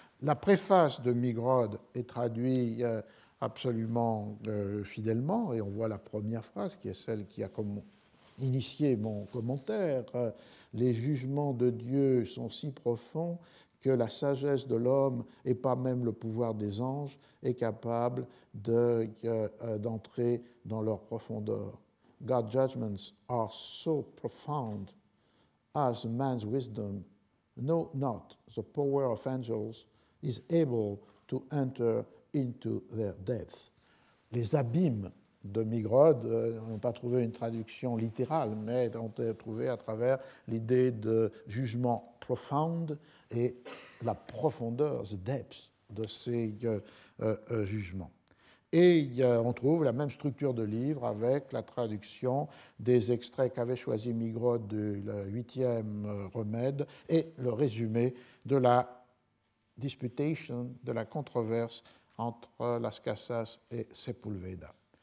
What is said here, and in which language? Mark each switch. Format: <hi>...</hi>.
<fr>La préface de Migrod est traduite absolument fidèlement, et on voit la première phrase qui est celle qui a initié mon commentaire. Les jugements de Dieu sont si profonds que la sagesse de l'homme, et pas même le pouvoir des anges, est capable d'entrer dans leur profondeur.</fr> <en>God's judgments are so profound as man's wisdom know not the power of angels is able to enter into their depth.</en> <fr>Les abîmes de Migrod n'ont pas trouvé une traduction littérale, mais ont été trouvés à travers l'idée de jugement profound et la profondeur,</fr> <en>the depth</en> <fr>de ces jugements. Et on trouve la même structure de livre avec la traduction des extraits qu'avait choisi Migrod du huitième remède et le résumé de la disputation, de la controverse entre Las Casas et Sepúlveda.</fr>